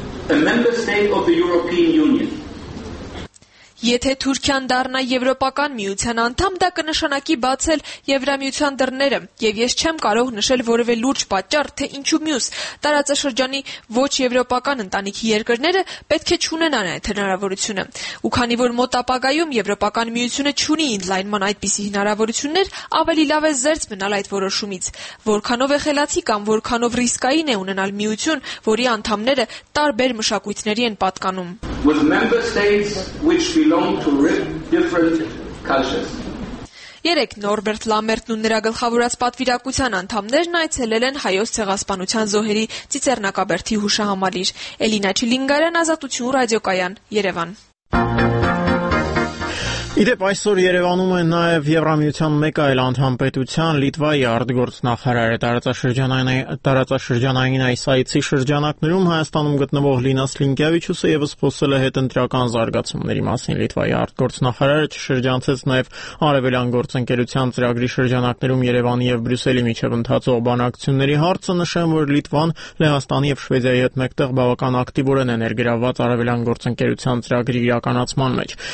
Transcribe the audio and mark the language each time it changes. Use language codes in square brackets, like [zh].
[en] a member state of the European Union. [hy] Եթե Թուրքիան դառնա Եվրոպական միության անդամ, դա կնշանակի բացել Եվրամիության դռները, եւ ես չեմ կարող նշել որևէ լուրջ պատճառ, թե ինչու մյուս տարածաշրջանի ոչ եվրոպական ընտանիքի երկրները պետք է չունենան այդ հնարավորությունը։ Ու քանի որ մոտ ապագայում Եվրոպական միությունը չունի ինլայնման այդպիսի հնարավորություններ, ավելի լավ է զերծ մնալ այդ որոշումից, որքանով է խելացի կամ որքանով ռիսկային է ունենալ միություն, որի անդամները տարբեր մշակույթների են պատկանում։ [en] With member states which belong to different cultures. [hy] Երեք Նորբերտ Լամերտն ու նրա գլխավորած պատվիրակության անդամներն այցելել են հայոց ցեղասպանության զոհերի ծիծեռնակաբերդի հուշահամալիր։ Էլինա Չիլինգարյան, Ազատություն ռադիոկայան, Երևան։ Իդեպ այսօր Երևանում է նաև Եվրամիության մեկ այլ անդամ պետության՝ Լիտվայի արտգործնախարարը տարածաշրջանային այսայցի շրջանակներում Հայաստանում գտնվող Լինա Սլինկևիչուսը եւս փոսել է հետընտրական զարգացումների մասին։ Լիտվայի արտգործնախարարը չշրջանցեց նաև արևելյան գործընկերության ծրագրի շրջանակներում Երևանի եւ Բրյուսելի միջև ընթացող բանակցությունների հարցը, նշեմ, որ Լիտվան Լեհաստանի եւ Շվեդիայի հետ մեկտեղ բավական ակտիվոր են ներգրավված արևելյան գործընկերության ծրագրի իրականացման մեջ։